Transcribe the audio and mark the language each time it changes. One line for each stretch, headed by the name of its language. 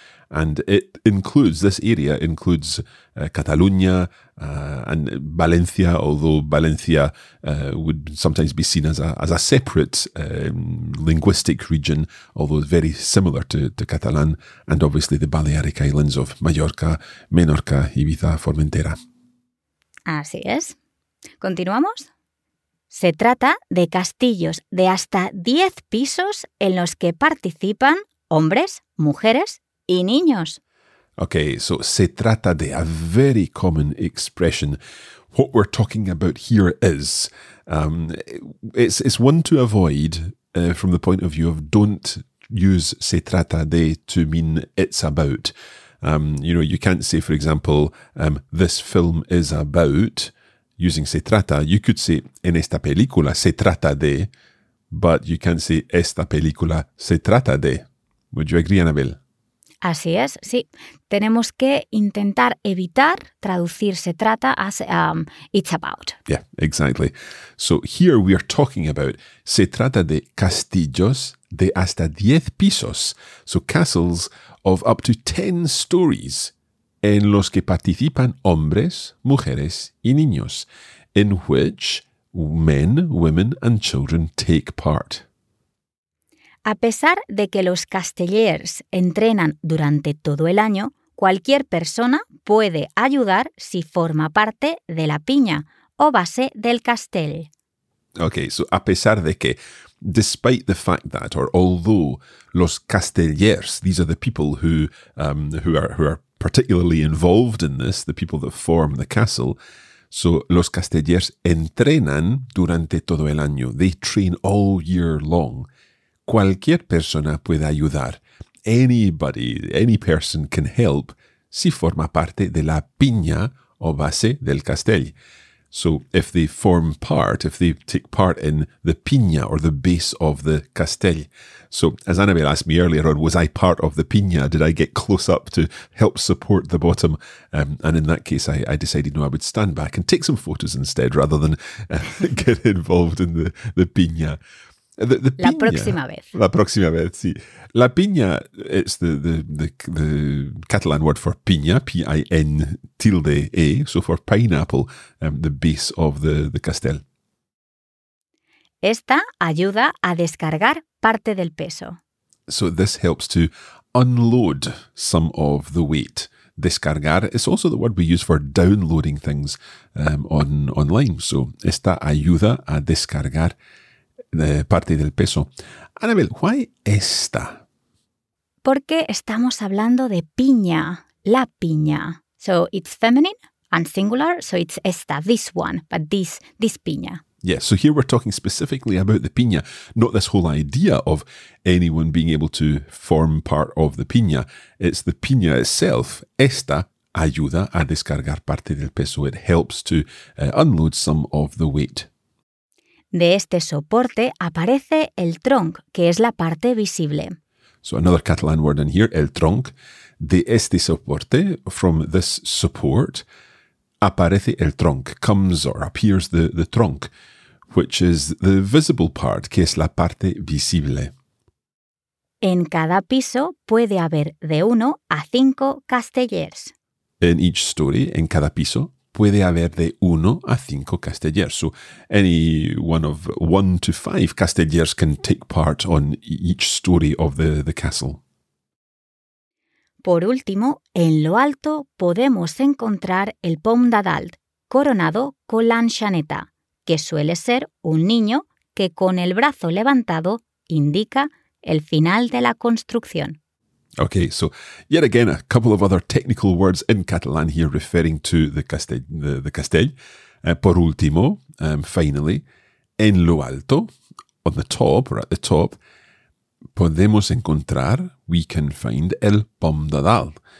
English: And it includes, this area includes Catalunya and Valencia, although Valencia would sometimes be seen as a separate linguistic region, although very similar to Catalan, and obviously the Balearic Islands of Mallorca, Menorca, Ibiza, Formentera.
Spanish: Así es. ¿Continuamos? Se trata de castillos de hasta 10 pisos en los que participan hombres, mujeres y niños.
English: Okay, so se trata de, a very common expression. What we're talking about here is, it's one to avoid from the point of view of don't use se trata de to mean it's about. You know, you can't say, for example, this film is about using se trata. You could say
Spanish: en esta película se trata de,
English: but you can't say
Spanish: esta película se trata de.
English: Would you agree, Anabel?
Spanish: Así es, sí. Tenemos que intentar evitar traducir se trata
English: as it's about. Yeah, exactly. So here we are talking about
Spanish: se trata de castillos de hasta 10 pisos.
English: So castles of up to 10 stories
Spanish: en los que participan hombres, mujeres y niños,
English: in which men, women and children take part.
Spanish: A pesar de que los castellers entrenan durante todo el año, cualquier persona puede ayudar si forma parte de la piña o base del castell.
English: Okay, so
Spanish: a pesar de que,
English: despite the fact that, or although los castellers, these are the people who are particularly involved in this, the people that form the castle.
Spanish: So los castellers entrenan durante todo el año.
English: They train all year long.
Spanish: Cualquier persona puede ayudar.
English: Anybody, any person can help
Spanish: si forma parte de la piña o base del castell.
English: So if they form part, if they take part in the piña or the base of the castell. So as Annabelle asked me earlier on, was I part of the piña? Did I get close up to help support the bottom? And in that case, I decided, no, I would stand back and take some photos instead rather than get involved in the piña.
Spanish: The la piña, próxima vez. La próxima vez, sí.
English: La piña, it's the Catalan word for piña, P-I-N-tilde-A, so for pineapple, the base of the castell.
Spanish: Esta ayuda a descargar parte del peso.
English: So this helps to unload some of the weight. Descargar is also the word we use for downloading things online.
Spanish: So esta ayuda a descargar de parte del peso. Anabel, ¿why esta? Porque estamos hablando de piña, la piña.
English: So it's feminine and singular, so it's esta, this one, but this piña. Yeah, so here we're talking specifically about the piña, not this whole idea of anyone being able to form part of the piña. It's the piña itself.
Spanish: Esta ayuda a descargar parte del peso.
English: It helps to unload some of the weight.
Spanish: De este soporte aparece el tronc, que es la parte visible.
English: So another Catalan word in here, el tronc.
Spanish: De este soporte,
English: from this support,
Spanish: aparece el tronc,
English: comes or appears the tronc, which is the visible part,
Spanish: que es la parte visible. En cada piso puede haber de 1 a 5 castellers.
English: In each story,
Spanish: en cada piso, puede haber de 1 a 5 castellers.
English: So any one of 1 to 5 castellers can take part on each story of the castle.
Spanish: Por último, en lo alto podemos encontrar el pom d'adalt, coronado con la enxaneta, que suele ser un niño que con el brazo levantado indica el final de la construcción.
English: Okay, so yet again, a couple of other technical words in Catalan here referring to the castell.
Spanish: Por último,
English: finally,
Spanish: en lo alto,
English: on the top or at the top,
Spanish: podemos encontrar,
English: we can find, el pom d'adalt.